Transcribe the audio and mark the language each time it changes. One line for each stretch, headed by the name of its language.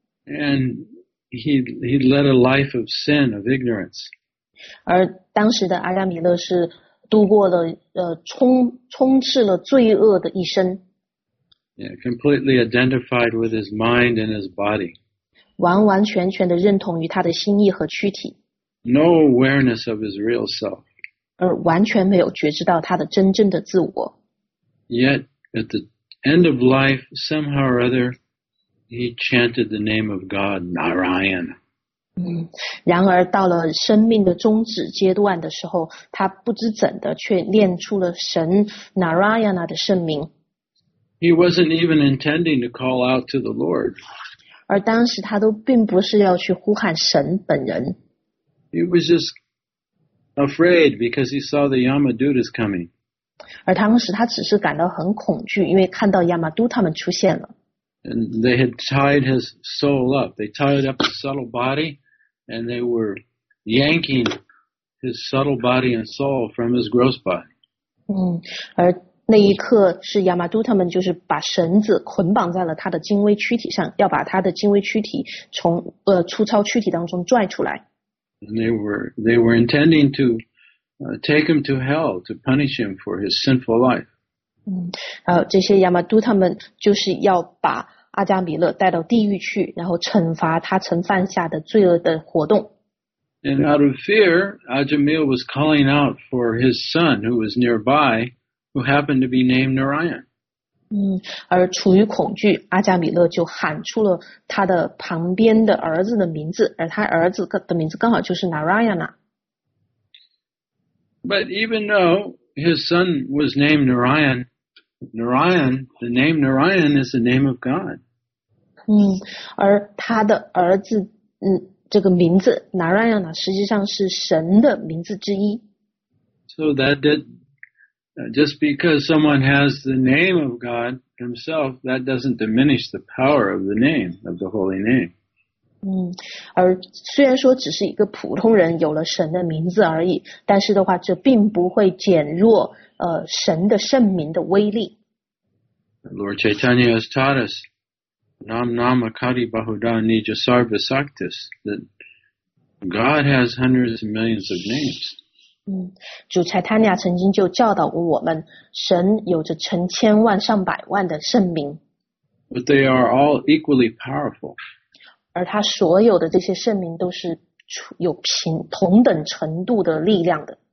English: And he led a life of sin, of ignorance.
Chinese: 而当时的阿加米勒是度过了充斥了罪恶的一生。
English: Yeah, completely identified with his mind and his body.
Chinese: 完完全全的认同于他的心意和躯体。
English: No awareness of his real self.
Chinese: 而完全没有觉知到他的真正的自我。
English: Yet, at the end of life, somehow or other, he chanted the name of God, Narayan.
Chinese: 然而到了生命的终止阶段的时候，他不知怎的却念出了神 Narayana 的圣名。
English: He wasn't even intending to call out to the Lord.
Chinese: 而当时他都并不是要去呼喊神本人。
English: He was just afraid because he saw the Yamadutas coming.
Chinese: 而当时他只是感到很恐惧，因为看到亚麻都他们出现了。
English: And they had tied his soul up. They tied up his subtle body, and they were yanking his subtle body and soul from his gross body.
Chinese: 而那一刻是亚麻都他们就是把绳子捆绑在了他的精微躯体上，要把他的精微躯体从粗糙躯体当中拽出来。
English: And they were intending to take him to hell to punish him for his sinful life.
Chinese: 这些亚麻都他们就是要把阿加米勒带到地狱去，然后惩罚他曾犯下的罪恶的活动。
English: And out of fear, Ajamil was calling out for his son who was nearby. Who happened to be named Narayan.
Chinese: 而处于恐惧，阿加米勒就喊出了他的旁边的儿子的名字，而他儿子的名字刚好就是 Narayana。
English: But even though his son was named Narayan, Narayan, the name Narayan is the name of God.
Chinese: 而他的儿子，这个名字 Narayana 实际上是神的名字之一。
English: So that did. Just because someone has the name of God himself, that doesn't diminish the power of the name, of the holy name.
Chinese: 而虽然说只是一个普通人有了神的名字而已，但是的话，这并不会减弱神的圣名的威力。
English: Lord Chaitanya has taught us,
Sanskrit: Nam Nama Kadi Bahuda Nija Sarva Saktis,
English: that God has hundreds of millions of names.
Chinese: 主 Chaitanya 曾经就教导过我们，神有着成千万上百万的圣名。
English: But they are all equally powerful.
Chinese: 而他所有的这些圣名都是有同等程度的力量的。